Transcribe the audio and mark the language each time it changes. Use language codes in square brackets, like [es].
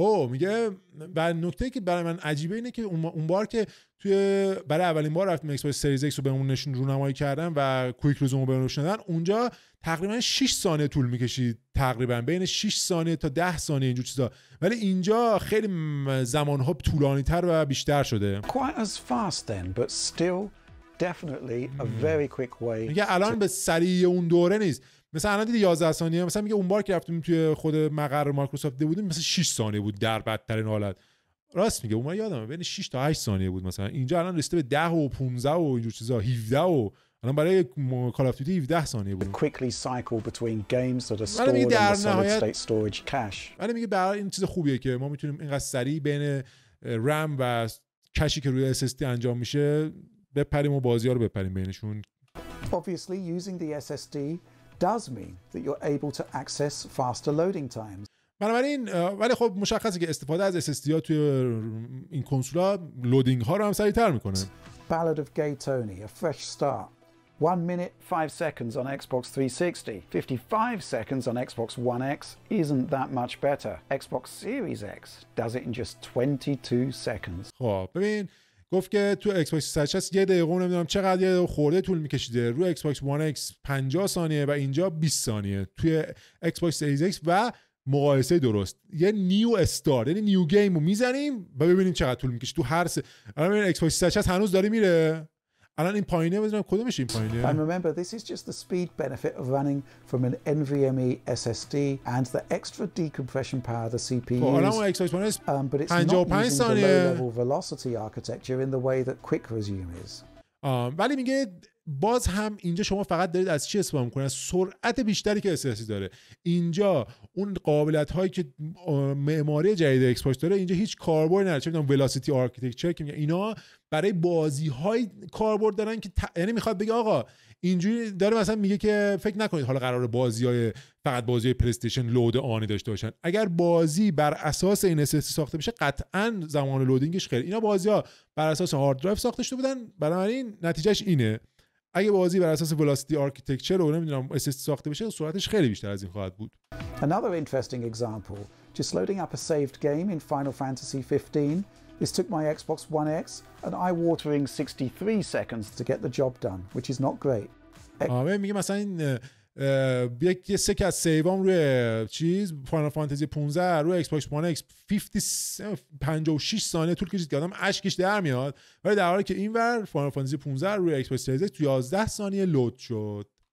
[fa] میگه بعد نکته که برای من عجیبه اینه که اون بار که توی برای اولین بار رفتم ایکس باکس سریز ایکس رو به اون نشون رونمایی کردم و کویک ریزوم رو به اون نشون دادن اونجا تقریبا 6 ثانیه طول میکشید تقریبا بین 6 ثانیه تا 10 ثانیه اینجور چیزا ولی اینجا خیلی زمانها طولانی تر و بیشتر شده [en] quite as fast then but still definitely a very quick way [fa] میگه الان به سریع اون دوره نیست مثلا الان دیدی 11 ثانیه مثلا میگه اون بار که رفتیم توی خود مقر مایکروسافت بودیم مثلا 6 ثانیه بود در بدترین حالت راست میگه اون بار یادمه بین 6 تا 8 ثانیه بود مثلا اینجا الان رسیده به 10 و 15 و اینجور چیزا 17 و الان برای کال آف دیوتی 17 ثانیه بود [en] quickly cycle between games that are stored in solid state storage cache [fa] ولی میگه برای این چیز خوبیه که ما میتونیم اینقدر سریع بین رم و کشی که روی SSD انجام میشه بپریم و بازی ها رو بپریم بینشون [en] obviously using the SSD does mean that you're able to access faster loading times [fa] بنابراین ولی خب مشخصه که استفاده از SSD ها توی این کنسول ها لودینگ ها رو هم سریع‌تر می‌کنه. [en] Ballad of Gay Tony, A Fresh Start. 1 minute 5 seconds on Xbox 360. 55 seconds on Xbox One X isn't that much better. Xbox Series X does it in just 22 seconds. [fa] خب ببین گفت که تو ایکس باکس 360 یه دقیقه نمیدونم چقدر یه خورده طول میکشیده، روی ایکس باکس وان ایکس 50 ثانیه و اینجا 20 ثانیه توی ایکس باکس سریز ایکس. و مقایسه درست، یه نیو استار یعنی نیو گیم رو میزنیم و ببینیم چقدر طول میکشه تو هر سه. الان ببینیم ایکس باکس 360 هنوز داره میره، الان این پایینه بزنم کدومش این پایینه. [en] And remember this is just the speed benefit of running from an NVMe SSD and the extra decompression power the CPU uses. But it's not using the low-level velocity architecture in the way that quick resume is. [fa] ولی میگه باز هم اینجا شما فقط دارید از چی استفاده میکنید؟ سرعت بیشتری که SSD داره. اینجا اون قابلیت هایی که معماری جدید Xbox داره اینجا هیچ کاربرد نداره. چه میدونم velocity architecture که میگه اینا برای بازی های کاربرد دارن که یعنی میخواد بگه آقا اینجوری داره مثلا میگه که فکر نکنید حالا قرار بازی های فقط بازی های پلی‌استیشن لود آنی داشته باشن. اگر بازی بر اساس این SSD ساخته بشه قطعا زمان لودینگش خیلی، اینا بازی ها بر اساس هارد درایو ساخته شده بودن، بنابراین نتیجهش اینه. اگه بازی بر اساس velocity architecture رو نمیدونم SSD ساخته بشه سرعتش خیلی بیشتر از این خواهد بود. [en] Another interesting example, just loading up a saved game in Final Fantasy 15. This took my Xbox One X an eye-watering 63 seconds to get the job done, which is not great. [fa] میگه مثلا این یک سک از سیوام روی چیز Final Fantasy 15 روی Xbox One X 56 ثانیه طول کشید که آدم اشکش در میاد، ولی در حالی که اینور Final Fantasy 15 روی Xbox Series X 11 ثانیه لود شد.